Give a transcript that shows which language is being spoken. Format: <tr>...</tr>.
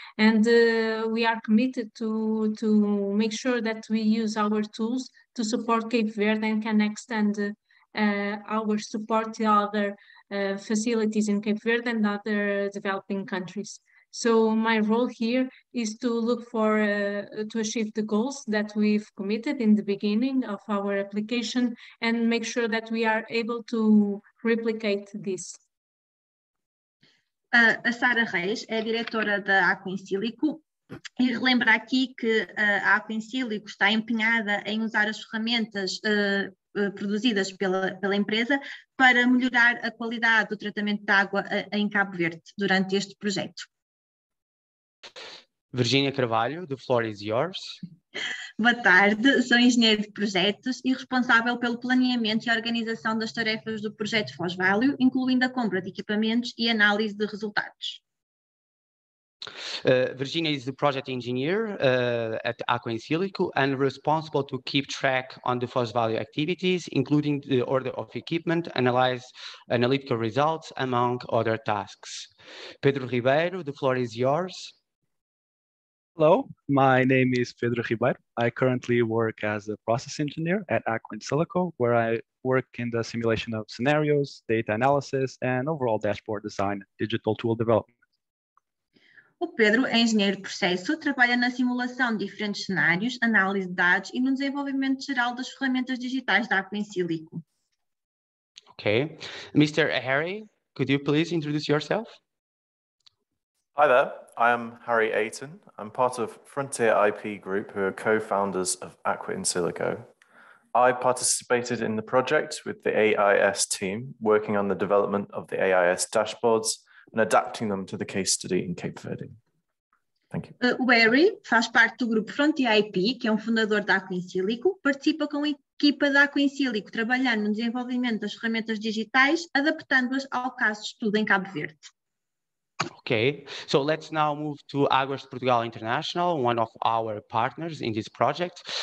<en>And we are committed to make sure that we use our tools to support Cape Verde and can extend our support to other facilities in Cape Verde and other developing countries. So my role here is to look for to achieve the goals that we've committed in the beginning of our application and make sure that we are able to replicate this.</en> <pt>A Sara Reis é diretora da Aqua in Silico e relembra aqui que a Aqua in Silico está empenhada em usar as ferramentas produzidas pela empresa para melhorar a qualidade do tratamento de água em Cabo Verde durante este projeto.</pt> <en>Virginia Carvalho, the floor is yours.</en> <pt>Boa tarde, sou engenheira de projetos e responsável pelo planeamento e organização das tarefas do projeto FOSS Valley, incluindo a compra de equipamentos e análise de resultados.</pt> <en>Virginia is the project engineer at Aqua in Silico and responsible to keep track on the FOSS Valley activities, including the order of equipment, analyze analytical results, among other tasks. Pedro Ribeiro, the floor is yours. Hello, my name is Pedro Ribeiro. I currently work as a process engineer at Aqua in Silico, where I work in the simulation of scenarios, data analysis, and overall dashboard design, digital tool development.</en> <pt>O Pedro é engenheiro de processo, trabalha na simulação de diferentes cenários, análise de dados e no desenvolvimento geral das ferramentas digitais da Aqua in Silico.</pt> <en>Ok. Mr. Harry, could you please introduce yourself? Hi there, I am Harry Ayton. I'm part of Frontier IP Group, who are co-founders of Aqua in Silico. I participated in the project with the AIS team, working on the development of the AIS dashboards and adapting them to the case study in Cape Verde. Thank you.</en> <pt>O Harry faz parte do grupo Frontier IP, que é fundador da Aqua in Silico, participa com a equipa da Aqua in Silico, trabalhando no desenvolvimento das ferramentas digitais, adaptando-as ao caso de estudo em Cabo Verde.</pt> <en>Okay, so let's now move to Águas de Portugal International, one of our partners in this project.</en>